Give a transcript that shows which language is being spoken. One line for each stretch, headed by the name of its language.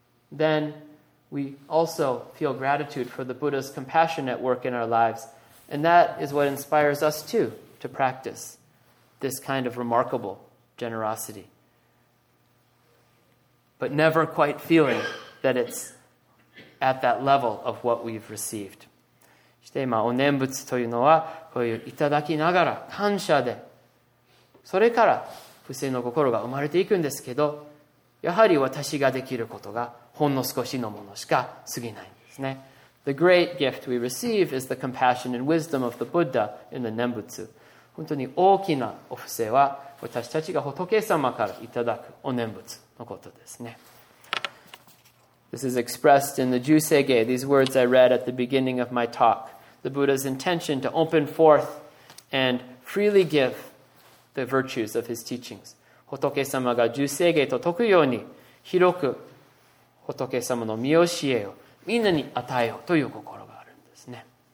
English: Then we also feel gratitude for the Buddha's compassion at work in our lives. And that is what inspires us too to practice this kind of remarkable generosity. But never quite feeling that it's at that level of what we've received.
Japanese: して、まあ、お念仏というのはこういういただきながら感謝で、それから不正の心が生まれていくんですけど、やはり私ができることがほんの少しのものしか過ぎないんですね。
English: The great gift we receive is the compassion and wisdom of the Buddha in the 念仏。
Japanese: 本当に大きなお布施は私たちが仏様からいただくお念仏のことですね。
English: This is expressed in the Jusege, these words I read at the beginning of my talk. The Buddha's intention to open forth and freely give the virtues of his teachings.
Japanese: 仏様が Jusege と説くように広く仏様の御教えをみんなに与えようという心があるんですね。